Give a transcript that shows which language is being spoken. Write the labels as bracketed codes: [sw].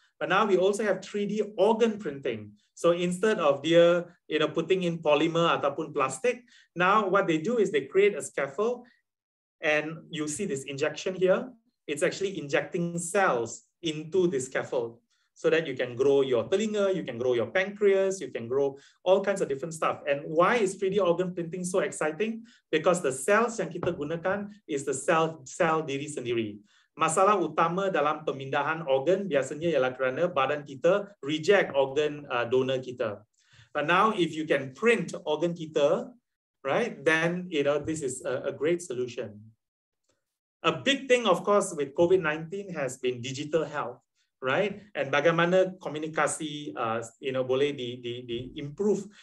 [en] But now we also have 3D organ printing. So instead of putting in polymer ataupun plastic, now what they do is they create a scaffold, and you see this injection here. It's actually injecting cells into the scaffold so that you can grow your telinga, you can grow your pancreas, you can grow all kinds of different stuff. And why is 3D organ printing so exciting? Because the cells [ms] yang kita gunakan [en] is the cell [ms] diri sendiri. Masalah utama dalam pemindahan organ biasanya ialah kerana badan kita reject organ donor kita. [en] But now if you can print organ kita, right, then you know this is a great solution. A big thing, of course, with COVID-19 has been digital health, right? [ms] And bagaimana komunikasi, boleh di improve.